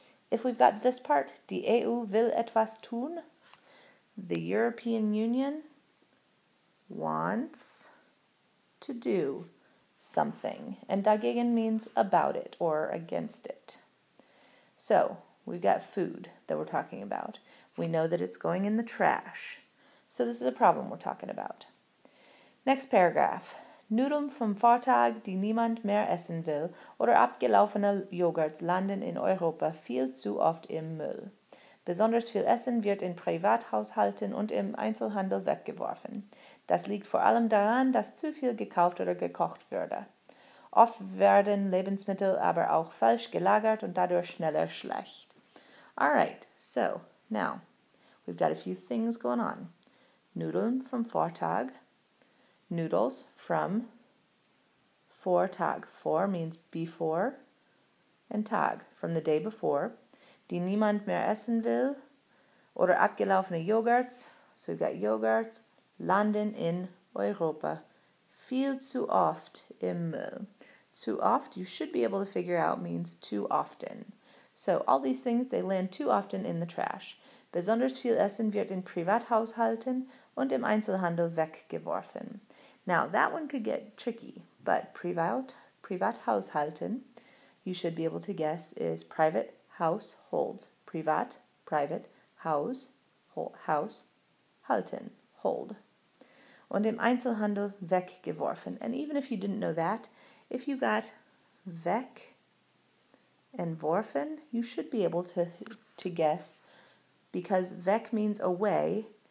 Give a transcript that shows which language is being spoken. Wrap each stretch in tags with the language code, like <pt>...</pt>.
<en>If we've got this part,</en> <de>die EU will etwas tun,</de> <en>the European Union wants to do something. And dagegen means about it or against it. So, we've got food that we're talking about. We know that it's going in the trash. So this is a problem we're talking about. Next paragraph.</en> <de>Nudeln vom Vortag, die niemand mehr essen will, oder abgelaufene Joghurts landen in Europa viel zu oft im Müll. Besonders viel Essen wird in Privathaushalten und im Einzelhandel weggeworfen. Das liegt vor allem daran, dass zu viel gekauft oder gekocht würde. Oft werden Lebensmittel aber auch falsch gelagert und dadurch schneller schlecht.</de> <en>All right, so now we've got a few things going on. Nudeln from Vortag. Noodles from Vortag. Vor means before. And Tag, from the day before.</en> <de>Die niemand mehr essen will. Oder abgelaufene Joghurts.</de> <en>So we've got yogurts.</en> <de>Landen in Europa. Viel zu oft im Müll.</de> <en>Too oft, you should be able to figure out, means too often. So all these things, they land too often in the trash.</en> <de>Besonders viel Essen wird in Privathaushalten und im Einzelhandel weggeworfen.</de> <en>Now that one could get tricky, but Privathaushalten, you should be able to guess, is private households. Privat, private, haushalten, hold.</en> <de>Und im Einzelhandel weggeworfen.</de> <en>And even if you didn't know that, if you got weg and worfen, you should be able to guess, because weg means away.</en>